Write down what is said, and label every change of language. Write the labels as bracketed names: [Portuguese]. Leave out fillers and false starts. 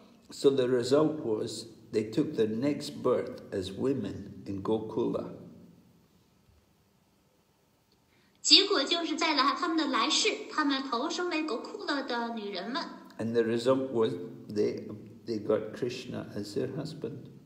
[English] So the result was they took their next birth as women in Gokula. [Chinese] 结果就是在了他们的来世，他们投生为国库勒的女人们。 [English] And the result was they got Krishna as their husband.